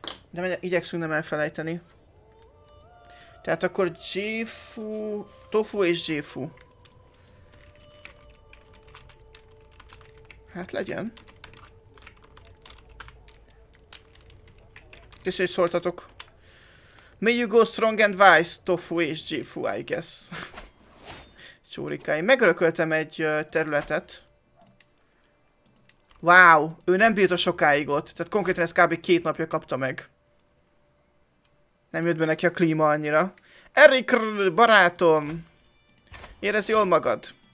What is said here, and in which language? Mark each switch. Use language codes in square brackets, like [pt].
[hu] De igyekszünk nem elfelejteni. Tehát akkor Jéfu... Tofu és Jéfu. Hát legyen. Köszönjük, hogy szóltatok. [en] May you go strong and wise, Tofu [hu] és [en] Jéfu, I guess. [hu] Csórikáim. Megörököltem egy területet. Wow, ő nem bírta sokáig ott. Tehát konkrétan ez kb. 2 napja kapta meg. Nem jött be neki a klíma annyira. Erik, barátom! Érezd jól magad.